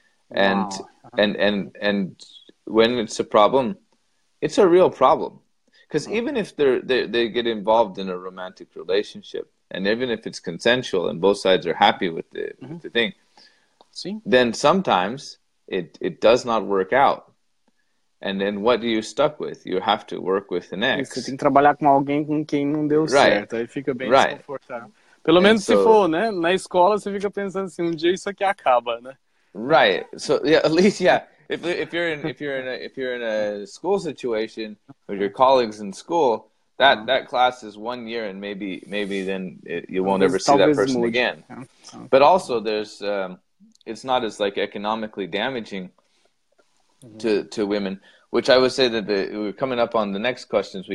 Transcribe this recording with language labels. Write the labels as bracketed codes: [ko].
[en] And, and when it's a problem, it's a real problem. Because even if they get involved in a romantic relationship, and even if it's consensual and both sides are happy with the with the thing, then sometimes it does not work out. And then what are you stuck with? You have to work with an ex. [pt] Você tem que trabalhar com alguém com quem não deu certo. Aí fica bem desconfortável. Pelo menos se for, né? Na escola você fica pensando assim, um dia isso aqui acaba, né? [en] Right. So yeah, at least if you're in a school situation with your colleagues in school. That class is 1 year, and maybe then you won't ever see that person again. But also, there's it's not as like economically damaging to women, which I would say that we're coming up on the next questions.